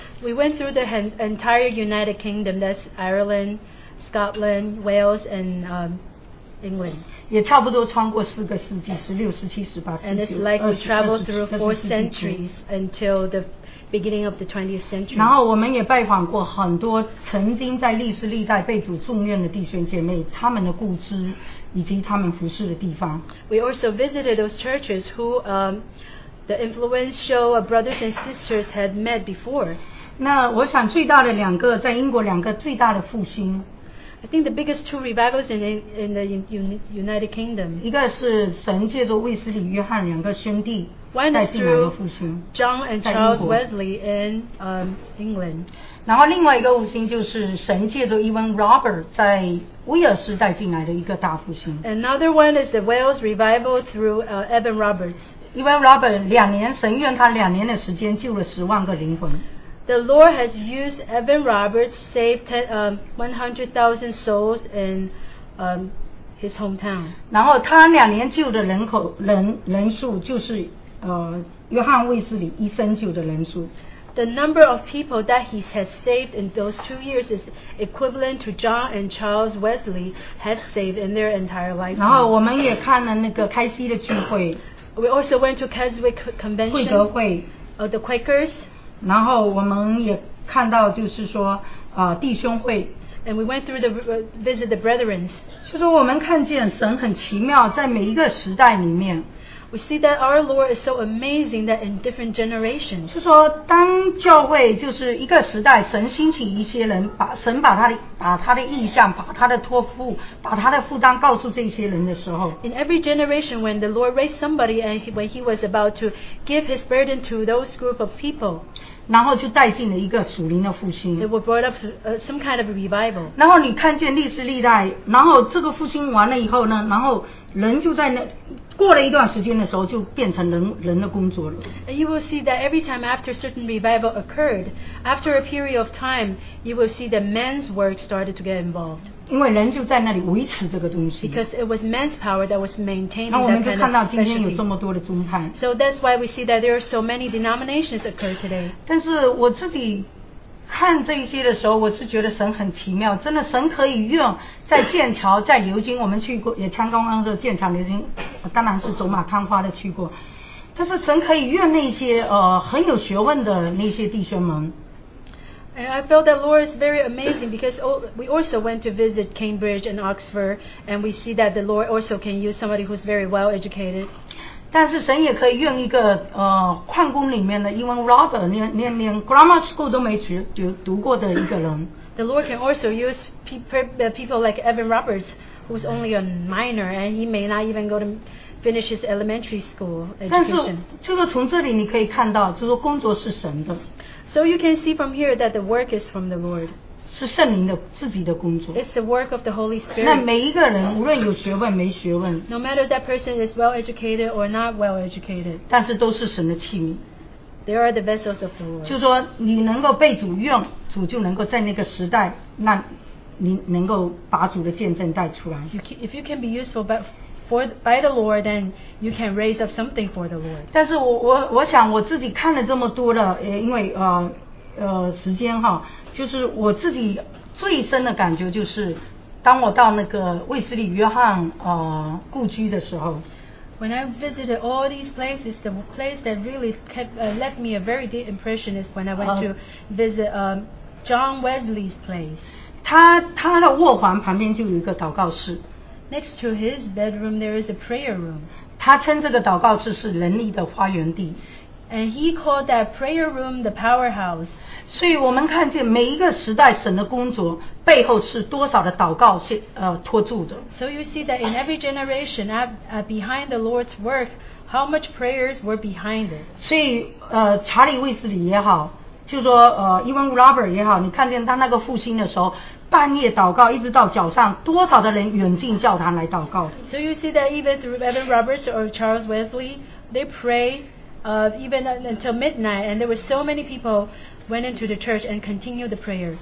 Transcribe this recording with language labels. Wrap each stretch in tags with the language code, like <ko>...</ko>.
<en>We went through the entire United Kingdom, that's Ireland, Scotland, Wales, and England.</en> <zh>也差不多穿过四个世纪，16、17、18、19、</zh> <en>And it's like we traveled through four centuries until the beginning of the 20th century.</en> <zh>然后我们也拜访过很多曾经在历史历代被主重用的弟兄姐妹，他们的故事以及他们服事的地方。</zh> <en>We also visited those churches who the influential brothers and sisters had met before.</en> <zh>那我想最大的两个在英国两个最大的复兴。</zh> <en>I think the biggest two revivals in the United Kingdom.</en> <zh>一个是神借着卫斯理、约翰两个兄弟带进来的复兴。</zh> <en>John and Charles Wesley in England.</en> <zh>然后另外一个复兴就是神借着 Evan Roberts 在威尔士带进来的一个大复兴。</zh> <en>Another one is the Wales revival through Evan Roberts.</en> <zh>Evan Roberts 两年，神用他两年的时间救了10万个灵魂。</zh> <en>The Lord has used Evan Roberts to save 100,000 souls in his hometown.</en> <zh>然后他两年救的人数就是约翰卫斯理一生救的人数。</zh> <en>The number of people that he has saved in those 2 years is equivalent to John and Charles Wesley had saved in their entire life.</en> <zh>然后我们也看了那个开西的聚会。</zh> <en>We also went to Keswick Convention.</en> <zh>惠德会。</zh> <en>The Quakers.</en> <zh>然后我们也看到就是说弟兄会</zh> <en>And we went through the visit the brethren</en> <zh>就是我们看见神很奇妙在每一个时代里面</zh> <en>We see that our Lord is so amazing that in different generations.</en> <zh>是说，当教会就是一个时代，神兴起一些人，把神把他的意象，把他的托付，把他的负担告诉这些人的时候。</zh> <en>In every generation, when the Lord raised somebody and when he was about to give his burden to those group of people.</en> <zh>然后就带进了一个属灵的复兴。</zh> <en>It was brought up some kind of a revival.</en> <zh>然后你看见历史历代，然后这个复兴完了以后呢，然后人就在那过了一段时间的时候，就变成人的工作了。</zh> <en>And you will see that every time after certain revival occurred, after a period of time, you will see that men's work started to get involved.</en> <zh>因为人就在那里维持这个东西。</zh> <en>Because it was men's power that was maintaining</en> <zh>那我们就看到今天有这么多的宗派。</zh> <en>So that's why we see that there are so many denominations occur today.</en> <zh>但是我自己看这一些的时候，我是觉得神很奇妙，真的神可以用在剑桥、在流经，我们去过也参观的时候，剑桥、流经，当然是走马看花的去过。但是神可以用那些很有学问的那些弟兄们。</zh> <en>And I felt that Lord is very amazing because we also went to visit Cambridge and Oxford, and we see that the Lord also can use somebody who's very well educated.</en> <zh>但是神也可以用一个矿工里面的，因为 Robert 连 grammar school 都没读过的一个人。</zh> <en>The Lord can also use people like Evan Roberts, who's only a minor, and he may not even go to finish his elementary school education.</en> <zh>但是就是从这里你可以看到，就是工作是神的。</zh> <en>So you can see from here that the work is from the Lord.</en> <zh>是圣灵的自己的工作。</zh> <en>It's the work of the Holy Spirit.</en> <zh>那每一个人无论有学问没学问。</zh> <en>No matter that person is well educated or not well educated.</en> <zh>但是都是神的器皿。</zh> <en>They are the vessels of the Lord.</en> <zh>就说你能够被主用，主就能够在那个时代，那你能够把主的见证带出来。</zh> <en>If you can be useful, but by the Lord, then you can raise up something for the Lord.</en> <zh>但是我想我自己看了这么多的，因为时间哈，就是我自己最深的感觉就是，当我到那个卫斯理约翰故居的时候</zh> <en>，When I visited all these places, the place that really left me a very deep impression is when I went to visit John Wesley's place.</en> <zh>他的卧房旁边就有一个祷告室。</zh> <en>Next to his bedroom, there is a prayer room.</en> <zh>他称这个祷告室是能力的花园地。</zh> <en>And he called that prayer room the powerhouse.</en> <zh>所以我们看见每一个时代神的工作背后是多少的祷告托住的。</zh> <en>So you see that in every generation, behind the Lord's work, how much prayers were behind it.</en> <zh>所以查理·卫斯理也好，就说Evan Roberts 也好，你看见他那个复兴的时候。半夜祷告，一直到早上，多少的人远近教堂来祷告。</zh> <en>So you see that even through Evan Roberts or Charles Wesley, they pray, even until midnight, and there were so many people went into the church and continued the prayer.</en>